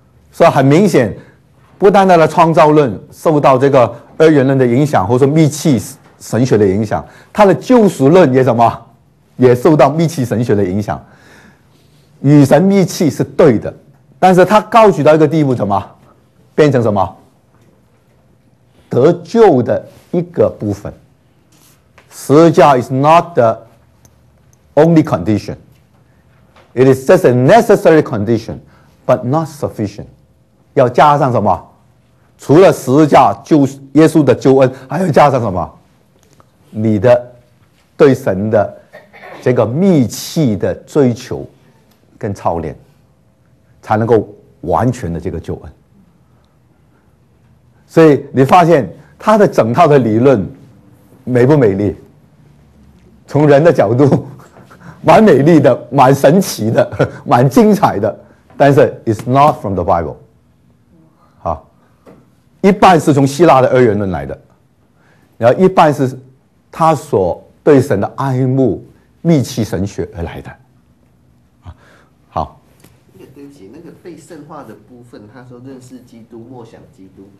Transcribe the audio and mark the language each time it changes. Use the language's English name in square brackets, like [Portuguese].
[Chinese] 所以很明显不单单的创造论受到这个二元论的影响，或者说密契神学的影响，他的救赎论也什么也受到密契神学的影响，与神密契是对的，但是他高举到一个地步什么变成什么得救的一个部分，十字架 [English] is not the only condition, it is just a necessary condition, but not sufficient， [Chinese] 要加上什么？除了十字架救耶稣的救恩，还要加上什么？你的对神的这个密切的追求跟操练，才能够完全的这个救恩。所以你发现他的整套的理论美不美丽？从人的角度，蛮美丽的，蛮神奇的，蛮精彩的。但是 [English] it's not from the Bible。 [Chinese] 一半是从希腊的二元论来的，然后一半是他所对神的爱慕、密切神学而来的。好，对不起，那个被圣化的部分，他说认识基督、默想基督，